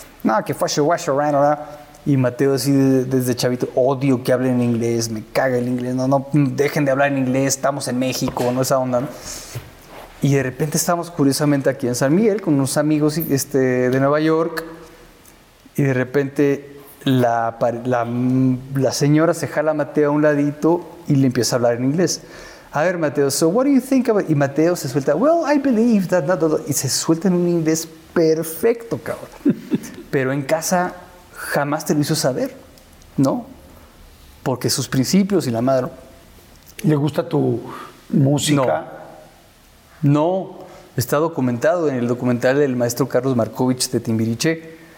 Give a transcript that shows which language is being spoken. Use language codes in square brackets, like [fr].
[es] No, que fue Shawash Arana, ¿verdad? Y Mateo, así desde chavito, odio que hablen en inglés, me caga el inglés, no, dejen de hablar en inglés, estamos en México, no, esa onda, ¿no? Y de repente estamos curiosamente aquí en San Miguel con unos amigos de Nueva York, y de repente la señora se jala a Mateo a un ladito y le empieza a hablar en inglés. A ver, Mateo, [en] so what do you think about... Y Mateo se suelta, well, I believe that... Not, not, not, [es] y se suelta en un inglés perfecto, cabrón. [en] Pero en casa jamás te lo hizo saber, ¿no? [es] Porque sus principios y la madre... ¿Le gusta tu música? No, está documentado en el documental del maestro Carlos Markovich de Timbiriche.